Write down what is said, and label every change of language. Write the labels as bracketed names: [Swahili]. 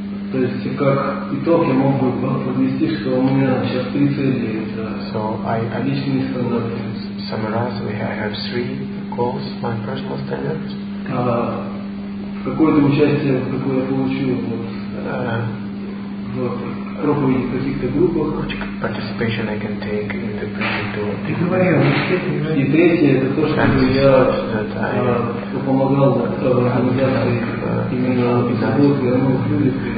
[Russian] То есть, как итог, я мог бы подвести, что у меня сейчас три цели. [English] So [Russian] личные стандарты. [English] Summarize, we have three goals, my personal standards. [Russian] Какое-то участие, какое я получу в проповеди в каких-то группах. [English] Which participation I can take in the preaching tour. [Russian] И третье, это то, чтобы я помогал организации именно заботы о новых людях,